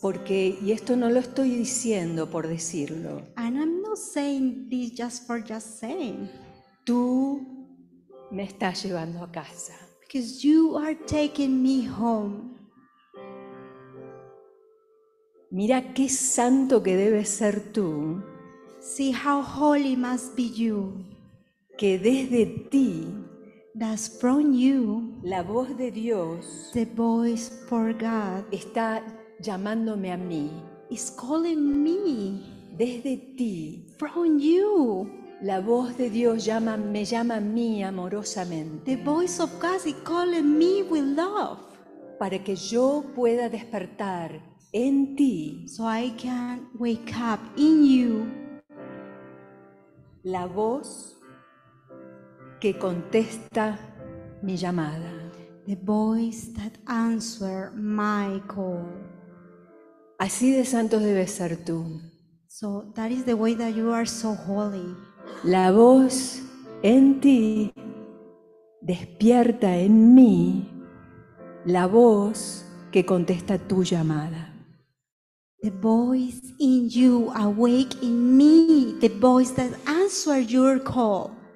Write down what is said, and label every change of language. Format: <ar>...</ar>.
<es>Porque, y esto no lo estoy diciendo por decirlo.</es> <en>And I'm not saying this just for just saying.</en> <es>Tú me estás llevando a casa.</es> <en>Because you are taking me home.</en> <es>Mira qué santo que debes ser tú.</es> <en>See how holy must be you.</en> <es>Que desde ti.</es> <en>That's from you.</en> <es>La voz de Dios,</es> <en>the voice for God,</en> <es>está llamándome a mí.</es> <en>Is calling me.</en> <es>Desde ti,</es> <en>from you,</en> <es>la voz de Dios llama, me llama a mí amorosamente.</es> <en>The voice of God is calling me with love.</en> <es>Para que yo pueda despertar en ti,</es> <en>so I can wake up in you.</en> <es>La voz que contesta mi llamada.</es> <en>The voice that answer my call.</en> <es>Así de santo debes ser tú.</es> <en>So that is the way that you are so holy.</en> <es>La voz en ti despierta en mí la voz que contesta tu llamada.</es> <en>The voice in you awake in me the voice that answer your call.</en>